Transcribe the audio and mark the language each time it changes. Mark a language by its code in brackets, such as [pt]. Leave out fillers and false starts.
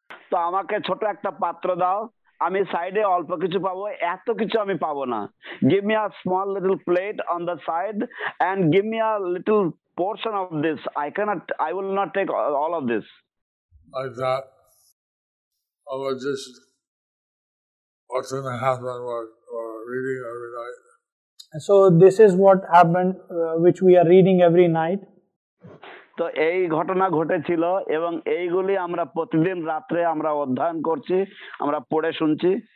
[bn] তো আমাকে ছোট একটা পাত্র দাও, আমি সাইডে অল্প কিছু পাবো, এত কিছু আমি পাবো না. [en] Give me a small little plate on the side and give me a little portion of this. I will not take all of this. Like that, I was just watching the happen or reading every night. So this is what happened which we are reading every night. [bn] তো এই ঘটনা ঘটেছিল এবং এইগুলি আমরা প্রতিদিন রাত্রে আমরা অধ্যয়ন করছি, আমরা পড়ে শুনছি.